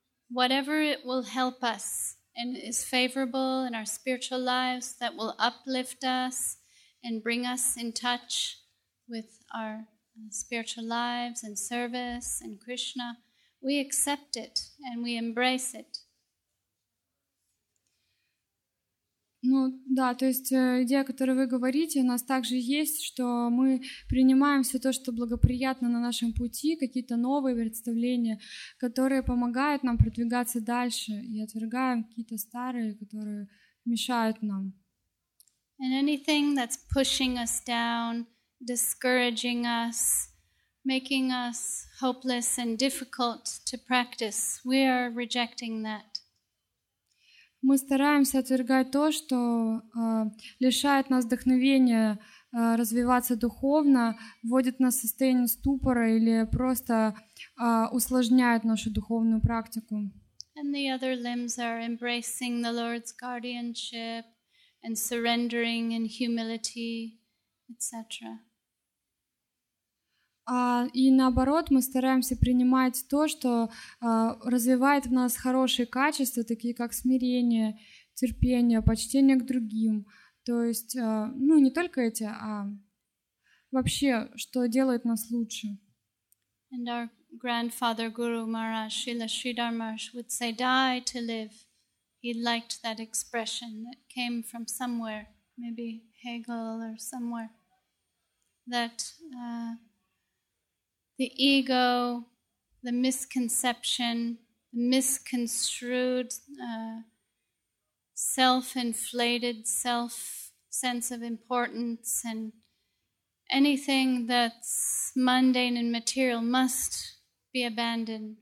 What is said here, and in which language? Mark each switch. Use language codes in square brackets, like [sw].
[en] Whatever it will help us and is favorable in our spiritual lives, that will uplift us and bring us in touch with our spiritual lives and service and Krishna, we accept it and we embrace it. [ru] Ну да, то есть идея, о которой вы говорите, у нас также есть, что мы принимаем все то, что благоприятно на нашем пути, какие-то новые представления, которые помогают нам продвигаться дальше, и отвергаем какие-то старые, которые мешают нам. [en] And anything that's pushing us down, discouraging us, making us hopeless and difficult to practice, we are rejecting that. [ru] Мы стараемся отвергать то, что лишает нас вдохновения развиваться духовно, вводит нас в состояние ступора или просто усложняет нашу духовную практику. [en] And the other limbs are embracing the Lord's guardianship and surrendering in humility, etc. [ru] И наоборот, мы стараемся принимать то, что развивает в нас хорошие качества, такие как смирение, терпение, почтение к другим. То есть, ну, не только эти, а вообще, что делает нас лучше. [en] And our grandfather Guru Maharaj, Srila Sridhar Maharaj, would say, die to live. He liked that expression that came from somewhere, maybe Hegel or somewhere, that... the ego, the misconception, the misconstrued, self-inflated self sense of importance, and anything that's mundane and material must be abandoned.